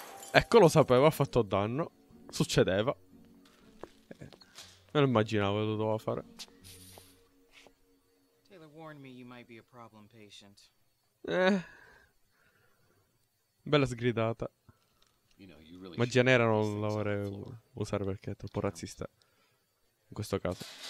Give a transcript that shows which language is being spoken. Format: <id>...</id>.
<it>Ecco, lo sapevo, ha fatto danno. Succedeva. Non immaginavo cosa doveva fare.</it> <en>Taylor warned me you might be a problem patient.</en> <it>Bella sgridata. Magia nera non la vorrei usare perché è troppo razzista in questo caso.</it>